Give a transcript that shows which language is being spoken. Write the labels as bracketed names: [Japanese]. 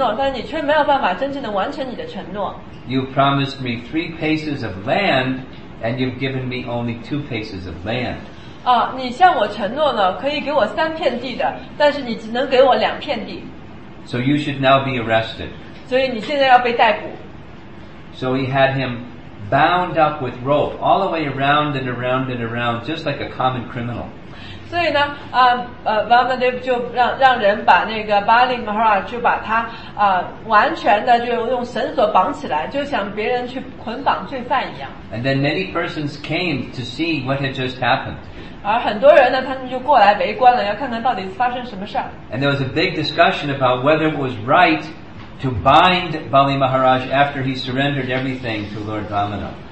[Chinese] 然后呢，Vamana就说了，你是一个国王，但是呢，你做出了承诺，但是你却没有办法真正的完成你的承诺。 [English] You promised me three paces of land, and you've given me only two paces of land. [Chinese] 你向我承诺了，可以给我三片地的，但是你只能给我两片地。 [English] So you should now be arrested. [Chinese] 所以你现在要被逮捕。 [English] So he had him bound up with rope, all the way around and around and around, just like a common criminal. [Chinese] 所以呢，Vamana就让人把那个Bali Maharaj就把他完全的就用绳索绑起来，就像别人去捆绑罪犯一样。 [English] And then many persons came to see what had just happened. [Chinese] 而很多人呢，他们就过来围观了，要看看到底发生什么事儿。 [English] And there was a big discussion about whether it was right to bind Bali Maharaj after he surrendered everything to Lord Vamana.